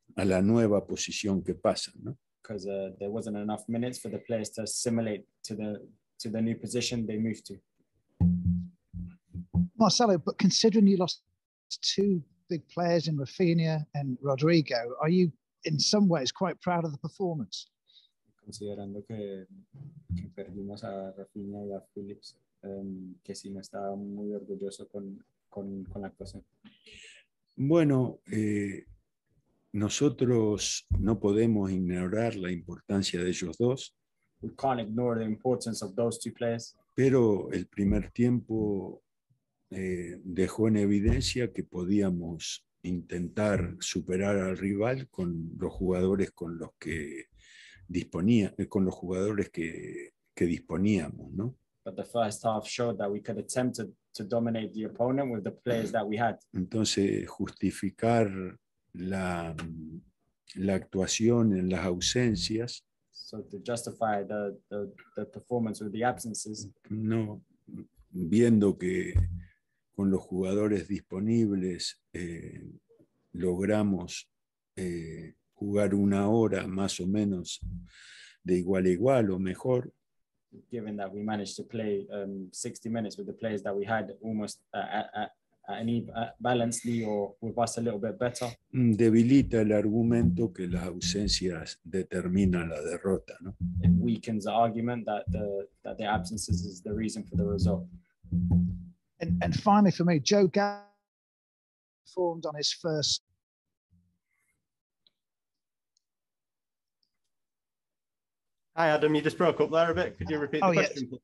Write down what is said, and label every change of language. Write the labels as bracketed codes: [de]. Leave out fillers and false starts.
[es] A la nueva posición que pasan, ¿no? [en] Because there wasn't enough minutes for the players to assimilate to the new position they moved to. Marcelo, but considering you lost two big players in Rafinha and Rodrigo, are you in some ways quite proud of the performance? [es] Considerando que perdimos a Rafinha y a Phillips, que sí me estaba muy orgulloso con la actuación. Bueno, nosotros no podemos ignorar la importancia de ellos dos, [en] We can't ignore the importance of those two players. [es] pero el primer tiempo dejó en evidencia que podíamos intentar superar al rival con los jugadores con los que disponía, con los jugadores que disponíamos, ¿no? [en] But the first half showed that we could attempt to dominate the opponent with the players that we had. [es] Entonces, justificar la actuación en las ausencias [en] So to justify the performance with the absences. [es] no, viendo que con los jugadores disponibles logramos jugar una hora más o menos de igual a igual o mejor. [en] Given that we managed to play 60 minutes with the players that we had almost at an balancedly or with us a little bit better. [es] Debilita el argumento que las ausencias determinan la derrota, ¿no? [en] It weakens the argument that the absences is the reason for the result. And finally for me, Joe Gallo performed on his first. Hi, Adam, you just broke up there a bit. Could you repeat the question?